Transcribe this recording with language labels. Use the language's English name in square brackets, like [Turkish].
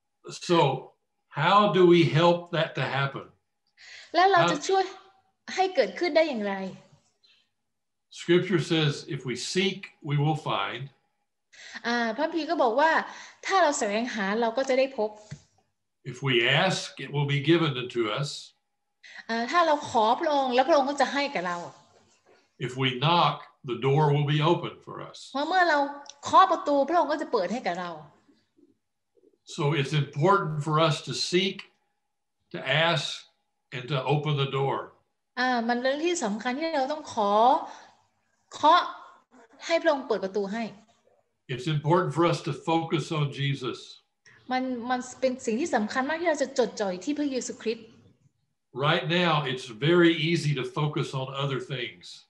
[English] So, how do we help that to happen? [Thai] แล้วเราจะช่วยให้เกิดขึ้นได้อย่างไร? [English] Scripture says, if we seek, we will find. [Thai] พระคัมภีร์ก็บอกว่าถ้าเราแสวงหาเราก็จะได้พบ [English] If we ask, it will be given unto us. [Thai] ถ้าเราขอพระองค์แล้วพระองค์ก็จะให้กับเรา [English] If we knock, the door will be opened for us. [Thai] เมื่อเราเคาะประตูพระองค์ก็จะเปิดให้กับเรา [English] So it's important for us to seek, to ask, and to open the door. [Thai] มันเรื่องที่สำคัญที่เราต้องเคาะให้พระองค์เปิดประตูให้ [English] It's important for us to focus on Jesus. [Thai] มันเป็นสิ่งที่สำคัญมากที่เราจะจดจ่ออยู่ที่พระเยซูคริสต์ [English] Right now, it's very easy to focus on other things.